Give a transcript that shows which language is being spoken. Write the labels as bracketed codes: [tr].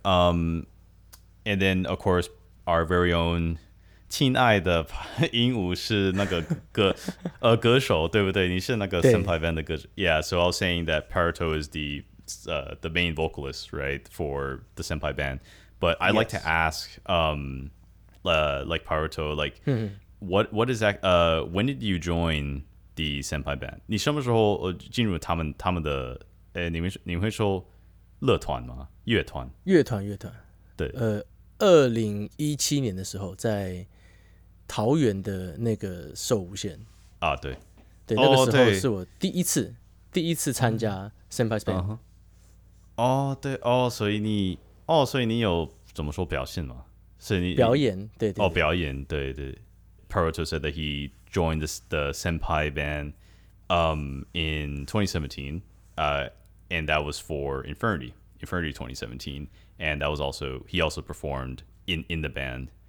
[en] And then of course our very own [zh] 亲爱的鹦鹉是那个歌手，对不对？你是那个Sempai band的歌手。 [en] Yeah, so I was saying that Paroto is the main vocalist, right, for the Sempai band. But I'd like to ask, like Paroto, like what is that? When did you join the Sempai band? [zh] 你什么时候进入他们的？你会说乐团吗？乐团。 2017年的时候，在桃园的那个寿武线啊，对，对，那个时候是我第一次参加 Sempai Band。所以你有怎么说表现吗？是你表演，对。 哦，表演，对。 [en] Paroto said that he joined the Sempai Band in 2017, and that was for Infinity 2017. And that was also, he also performed in the band.